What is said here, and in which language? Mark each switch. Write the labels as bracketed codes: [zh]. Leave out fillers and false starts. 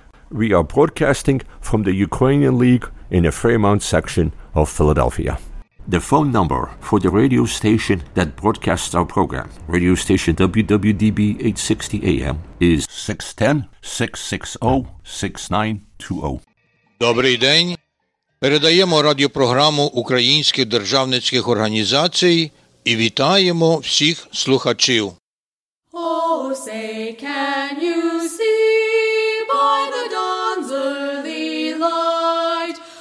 [en] We are broadcasting from the Ukrainian League in the Fairmount section of Philadelphia. The phone number for the radio station that broadcasts our program, radio station WWDB 860 AM, is 610-660-6920. [uk] Добрий день! Передаємо радіопрограму українських державницьких організацій і вітаємо всіх слухачів. [en] Oh, say can you see by the dawn's early light